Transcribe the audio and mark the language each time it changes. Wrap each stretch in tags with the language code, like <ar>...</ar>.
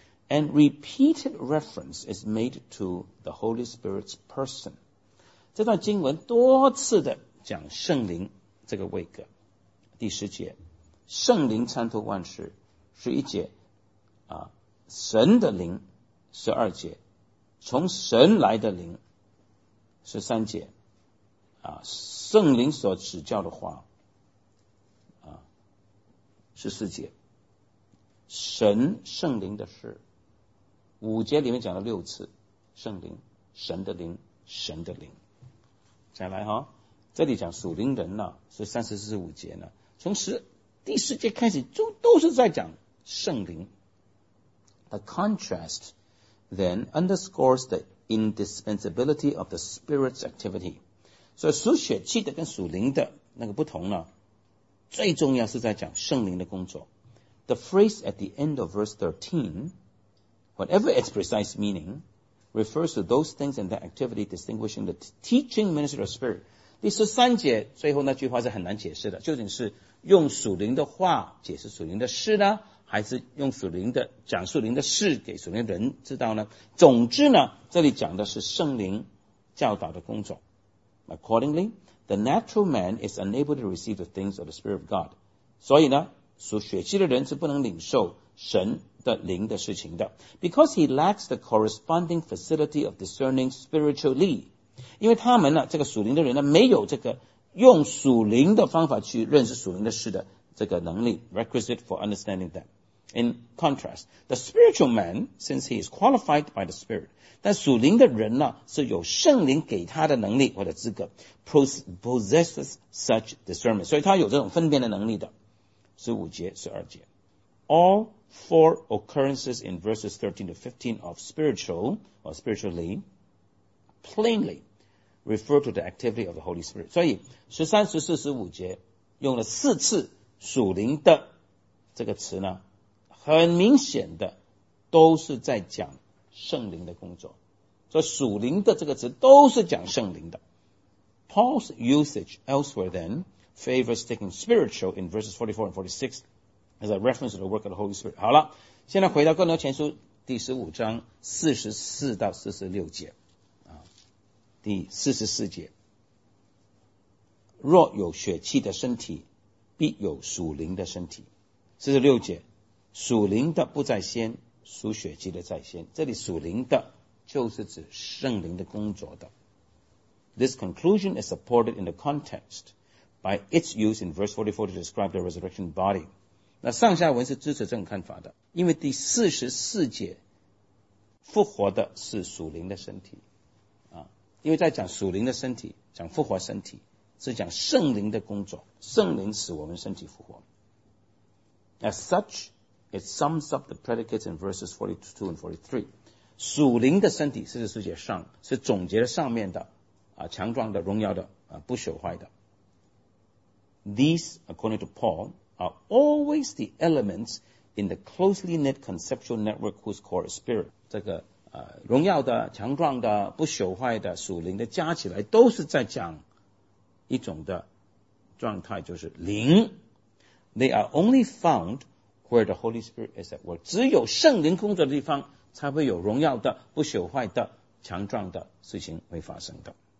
<en>And repeated reference is made to the Holy Spirit's person.</en> <zh>这段经文多次的讲圣灵这个位格。第十节，圣灵参透万事。十一节，神的灵。十二节，从神来的灵。十三节，圣灵所指教的话。十四节，神圣灵的事。五节里面讲了六次，圣灵，神的灵，神的灵。再来哈，这里讲属灵人呢，是三十四五节呢，从第十节开始就都是在讲圣灵。</zh> <en>The contrast then underscores the indispensability of the Spirit's activity.</en> <zh>所以属血气的跟属灵的那个不同呢，最重要是在讲圣灵的工作。</zh> <en>The phrase at the end of verse 13, whatever its precise meaning, refers to those things and that activity distinguishing the teaching ministry of Spirit.</en> <zh>第十三节最后那句话是很难解释的，究竟是用属灵的话解释属灵的事呢，还是用属灵的讲属灵的事给属灵人知道呢？总之呢，这里讲的是圣灵教导的工作。</zh> <en>Accordingly, the natural man is unable to receive the things of the Spirit of God.</en> <zh>所以呢，属血气的人是不能领受神的灵的事情的。</zh> <en>Because he lacks the corresponding facility of discerning spiritually.</en> <zh>因为他们呢，这个属灵的人呢，没有这个用属灵的方法去认识属灵的事的这个能力</zh> <en>requisite for understanding them. In contrast, the spiritual man, since he is qualified by the Spirit,</en> <zh>但属灵的人呢，是有圣灵给他的能力或者资格</zh> <en>possesses such discernment.</en> <zh>所以他有这种分辨的能力的。十五节、十二节。</zh> <en>All four occurrences in verses 13 to 15 of spiritual or spiritually plainly refer to the activity of the Holy Spirit.</en> <zh>所以十三、十四、十五节用了四次属灵的这个词呢，很明显的都是在讲圣灵的工作。所以属灵的这个词都是讲圣灵的。</zh> <en>Paul's usage elsewhere then favors taking spiritual in verses 44 and 46 as a reference to the work of the Holy Spirit.</en> <zh>好了，现在回到哥罗前书第十五章四十四到四十六节，第四十四节，若有血气的身体，必有属灵的身体。四十六节，属灵的不在先，属血气的在先。这里属灵的就是指圣灵的工作的。</zh> <en>This conclusion is supported in the context by its use in verse 44 to describe the resurrection body.</en> <zh>那上下文是支持这种看法的，因为第四十四节复活的是属灵的身体，因为在讲属灵的身体，讲复活身体，是讲圣灵的工作，圣灵使我们身体复活。</zh> <en>As such, it sums up the predicates in verses 42 and 43.</en> <zh>属灵的身体，四十四节上，是总结了上面的，强壮的，荣耀的，不朽坏的。</zh> <en>These, according to Paul, are always the elements in the closely knit conceptual network whose core is spirit.</en> <zh>这个荣耀的、强壮的、不朽坏的、属灵的加起来都是在讲一种的状态，就是灵。</zh> <en>They are only found where the Holy Spirit is at work.</en> <zh>只有圣灵工作的地方才会有荣耀的、不朽坏的、强壮的事情会发生的。</zh>